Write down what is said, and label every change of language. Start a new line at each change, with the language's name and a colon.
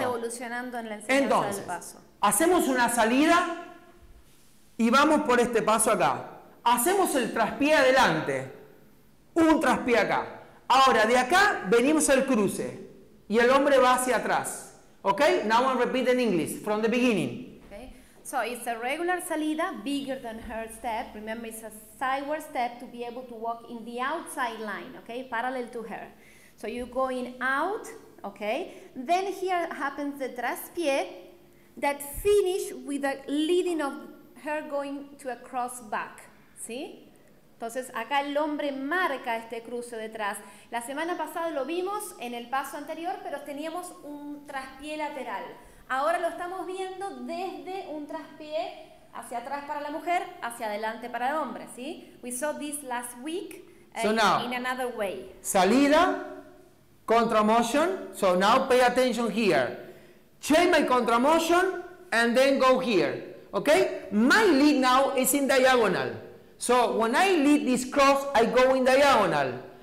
Spanish: Vamos evolucionando en la enseñanza entonces, del paso. Entonces, hacemos una salida y vamos por este paso acá. Hacemos el traspié adelante, un traspié acá. Ahora, de acá venimos al cruce y el hombre va hacia atrás. ¿Ok?
English: Now I repeat in English, from the beginning. So it's a regular salida, bigger than her step. Remember, it's a sideward step to be able to walk in the outside line, okay, parallel to her. So you're going out, okay. Then here happens the traspié that finish with the leading of her going to a cross back, ¿sí?
Spanish: Entonces, acá el hombre marca este cruce detrás. La semana pasada lo vimos en el paso anterior, pero teníamos un traspié lateral. Ahora lo estamos viendo desde un traspié hacia atrás para la mujer, hacia adelante para el hombre, ¿sí?
English: We saw this last week in another way. Salida, contra motion. So now pay attention here. Change my contra motion and then go here. Okay? My lead now is in diagonal. So when I lead this cross, I go in diagonal.